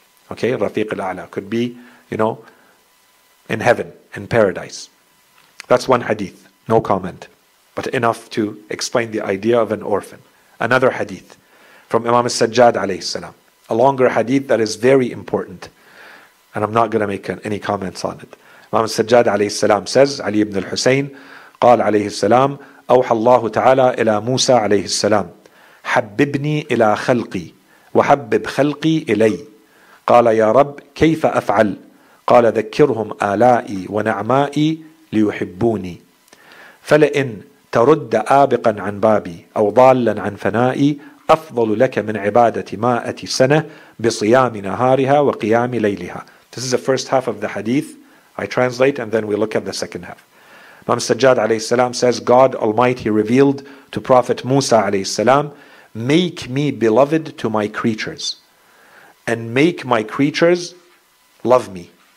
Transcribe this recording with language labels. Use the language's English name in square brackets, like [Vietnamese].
[English] Okay, Rafiq al-A'la could be, you know, in heaven, in paradise. That's one hadith, no comment, but enough to explain the idea of an orphan. Another hadith from Imam al-Sajjad alayhi salam, a longer hadith that is very important, and I'm not going to make any comments on it. Imam al-Sajjad alayhi salam says, Ali ibn al-Husayn, [Arabic] قال عليه السلام أوحى الله تعالى إلى موسى عليه السلام حببني إلى خلقي وحبب خلقي إلي قال يا رب كيف أفعل قال ذكرهم آلائي ونعمائي ليحبوني فلئن ترد آبقا عن بابي أو ضالا عن فنائي أفضل لك من عبادة مائة سنة بصيام نهارها وقيام ليلها. [English] This is the first half of the hadith. I translate and then we look at the second half. Imam Sajjad alayhi salam says, God Almighty revealed to Prophet Musa alayhi salam, make me beloved to my creatures and make my creatures love me.